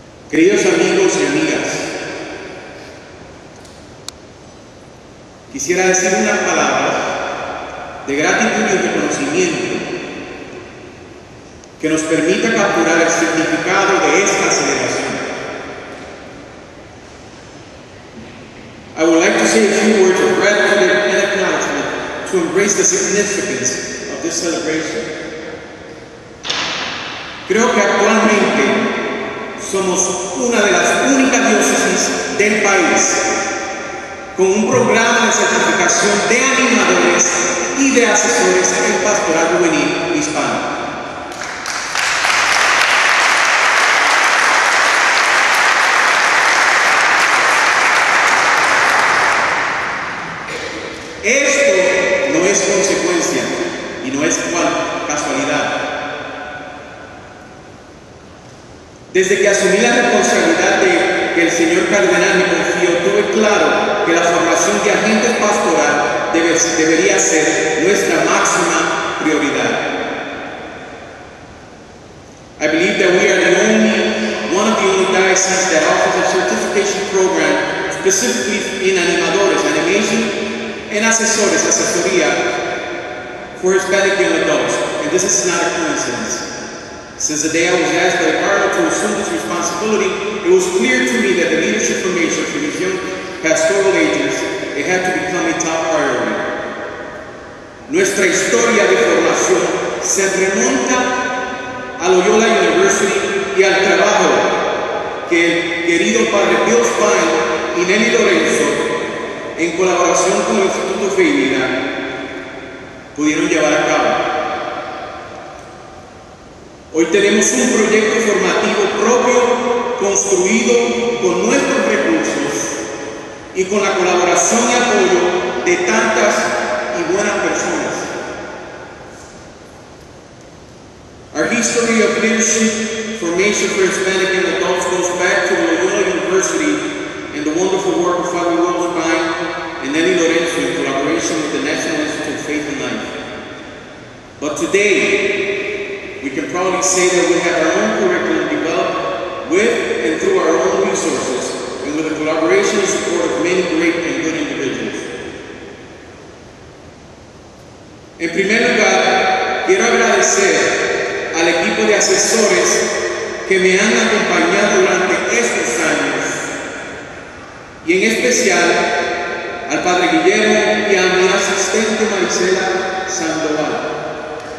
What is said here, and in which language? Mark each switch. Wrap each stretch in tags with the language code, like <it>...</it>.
<es>Queridos amigos y amigas, quisiera decir unas palabras de gratitud y reconocimiento que nos permita capturar el significado de esta celebración.</es> <en>I would like to say a few words of gratitude and acknowledgement to embrace the significance of this celebration.</en> <es>Creo que actualmente somos una de las únicas diócesis del país con un programa de certificación de animadores y de asesores en pastoral juvenil hispano. Esto no es consecuencia y no es casualidad. Desde que asumí la responsabilidad de que el señor cardenal me confió, tuve claro que la formación de agente pastoral debería ser nuestra máxima prioridad.</es> <en>I believe that we are the only, one of the only dioceses that offers a certification program specifically in animadores, animation, and asesores, asesoría, for Hispanic young adults. And this is not a coincidence. Since the day I was asked by the Cardinal to assume this responsibility, it was clear to me that the leadership formation for these young pastoral agents, it had to become a top priority.</en> <es>Nuestra historia de formación se remonta a Loyola University y al trabajo que el querido padre Bill Spine y Nelly Lorenzo, en colaboración con el Instituto Fe y Vida, pudieron llevar a cabo. Hoy tenemos un proyecto formativo propio, construido con nuestros recursos y con la colaboración y apoyo de tantas y buenas personas.</es> <en>Our history of leadership formation for Hispanic young adults goes back to Loyola University and the wonderful work of Father Will Spine and Nelly Lorenzo in collaboration with the National Institute of Faith and Life. But today, we can proudly say that we have our own curriculum developed with and through our own resources and with the collaboration and support of many great and good individuals.</en> <es>En primer lugar, quiero agradecer al equipo de asesores que me han acompañado durante estos años y en especial al padre Guillermo y a mi asistente Marisela Sandoval.</es>